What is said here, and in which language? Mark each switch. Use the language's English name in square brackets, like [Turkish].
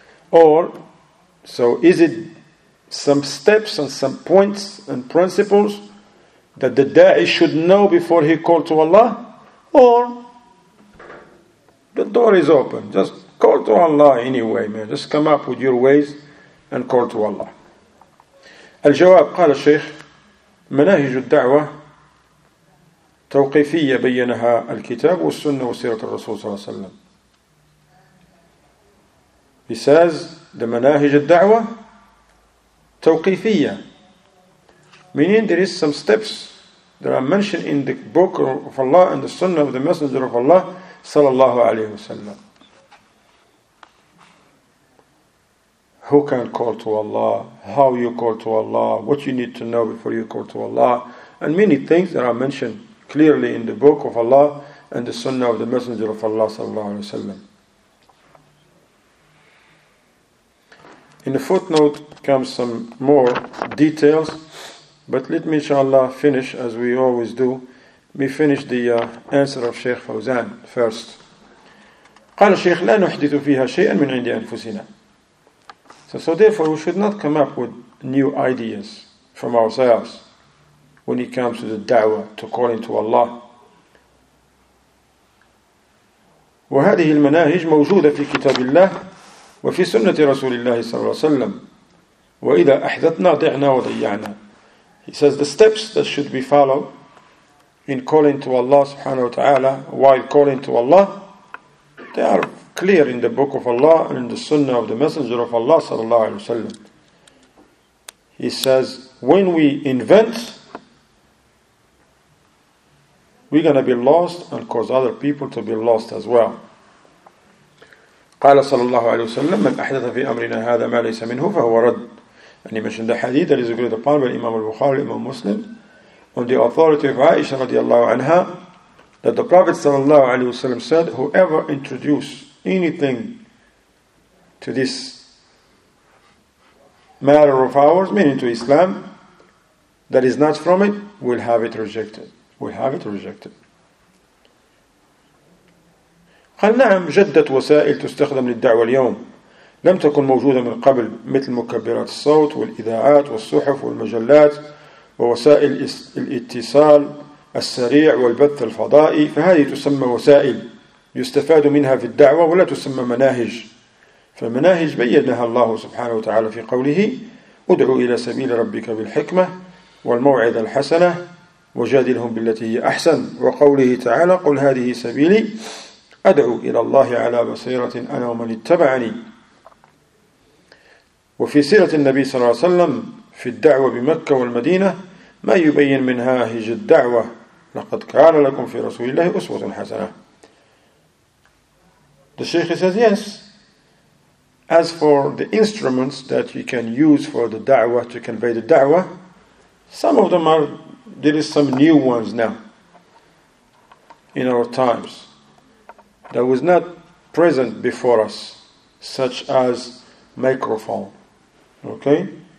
[English] Or, so is it some steps and some points and principles that the da'i should know before he call to Allah? Or, the door is open, just call to Allah anyway, man. Just come up with your ways and call to Allah. [Arabic] Al-Jawab, قال الشيخ, مناهج الدعوة توقيفية بينها الكتاب والسنة وسيرة الرسول صلى الله عليه وسلم. [English] He says, the [Arabic] مناهج الدعوة توقيفية. [English] Meaning there is some steps that are mentioned in the book of Allah and the sunnah of the Messenger of Allah صلى الله عليه وسلم. Who can call to Allah? How you call to Allah? What you need to know before you call to Allah? And many things that are mentioned clearly in the book of Allah and the sunnah of the Messenger of Allah sallallahu alaihi wasallam. In the footnote comes some more details, but let me inshallah finish as we always do. Let me finish the answer of Sheikh Fawzan first. [Arabic] قال الشيخ لا نحدث فيها شيئا من عند أنفسنا. [English] So therefore we should not come up with new ideas from ourselves when it comes to the da'wah, to calling to Allah. [Arabic] وهذه المناهج موجودة في كتاب الله وفي سنة رسول الله صلى الله عليه وسلم. وإذا أحدثنا ضعنا وضيعنا. [English] He says the steps that should be followed in calling to Allah subhanahu wa ta'ala while calling to Allah, they are clear in the book of Allah and in the sunnah of the Messenger of Allah sallallahu alaihi wasallam. He says, when we invent, we're going to be lost and cause other people to be lost as well. [Arabic] قال صلى الله عليه وسلم من أحدث في أمرنا هذا ما ليس منه فهو رد. [English] And he mentioned the hadith that is agreed upon by Imam al-Bukhari, Imam Muslim, on the authority of Aisha radiallahu anha, that the Prophet sallallahu alayhi wa sallam said, whoever introduced anything to this matter of ours, meaning to Islam, that is not from it, will have it rejected. Will have it rejected. [Arabic] قال نعم جدت وسائل تستخدم للدعوة اليوم لم تكن موجودة من قبل مثل مكبرات الصوت والإذاعات والصحف والمجلات ووسائل الاتصال السريع والبث الفضائي فهذه تسمى وسائل يستفاد منها في الدعوة ولا تسمى مناهج فالمناهج بيّنها الله سبحانه وتعالى في قوله ادعو إلى سبيل ربك بالحكمة والموعظة الحسنة وجادلهم بالتي هي أحسن وقوله تعالى قل هذه سبيلي أدعو إلى الله على بصيرة أنا ومن اتبعني وفي سيرة النبي صلى الله عليه وسلم في الدعوة بمكة والمدينة ما يبين منهاج الدعوة لقد كان لكم في رسول الله أسوة حسنة. [English] The Sheikh says yes. As for the instruments that you can use for the da'wah to convey the da'wah, some of them are, there is some new ones now in our times that was not present before us, such as microphone, okay?